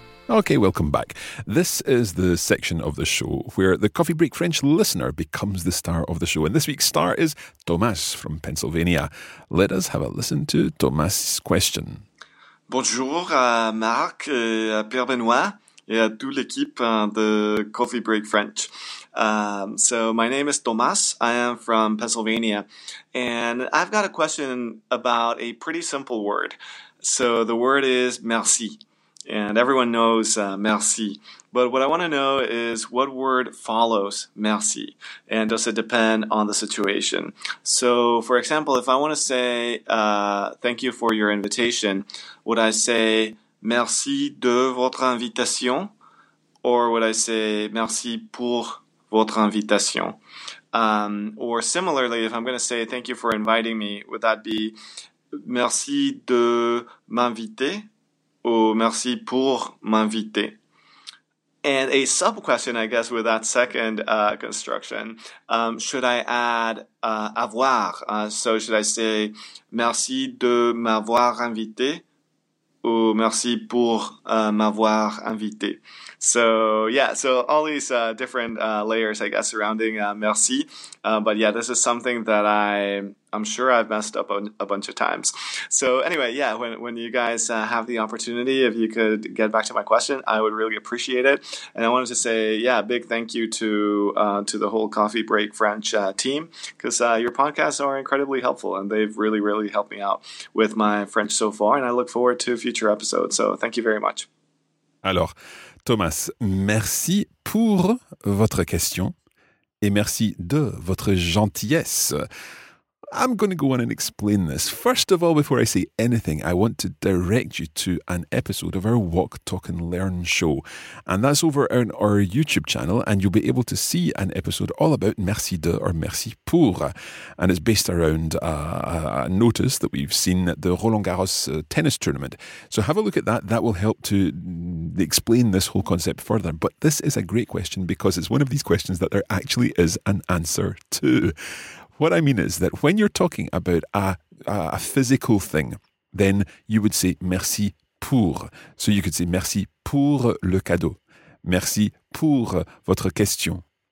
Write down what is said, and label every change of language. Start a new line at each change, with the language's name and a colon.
English: Okay, welcome back. This is the section of the show where the Coffee Break French listener becomes the star of the show. And this week's star is Thomas from Pennsylvania. Let us have a listen to Thomas' question.
French: Bonjour à Marc, à Pierre Benoît et à toute l'équipe de Coffee Break French.
English: So my name is Tomas. I am from Pennsylvania. And I've got a question about a pretty simple word. So the word is merci. And everyone knows merci. But what I want to know is what word follows merci? And does it depend on the situation? So, for example, if I want to say thank you for your invitation, would I say
French: merci de votre invitation?
English: Or would I say
French: merci pour votre invitation?
English: Or similarly, if I'm going to say thank you for inviting me, would that be
French: merci de m'inviter?
English: Oh,
French: merci pour m'inviter.
English: And a sub question, I guess, with that second construction, should I add avoir? So should I say
French: merci de m'avoir invité
English: ou merci pour m'avoir invité? So yeah, so all these different layers, I guess, surrounding merci. But yeah, this is something that I'm sure I've messed up a bunch of times. So anyway, yeah, when you guys have the opportunity, if you could get back to my question, I would really appreciate it. And I wanted to say, yeah, big thank you to the whole Coffee Break French team, because your podcasts are incredibly helpful and they've really, really helped me out with my French so far. And I look forward to future episodes. So thank you very much.
French: Alors, Thomas, merci pour votre question et merci de votre gentillesse.
English: I'm going to go on and explain this. First of all, before I say anything, I want to direct you to an episode of our Walk, Talk and Learn show. And that's over on our YouTube channel, and you'll be able to see an episode all about merci de or merci pour. And it's based around a notice that we've seen at the Roland Garros tennis tournament. So have a look at that. That will help to explain this whole concept further. But this is a great question because it's one of these questions that there actually is an answer to. What I mean is that when you're talking about a physical thing, then you would say merci pour. So you could say
French: merci pour le cadeau. Merci pour votre question.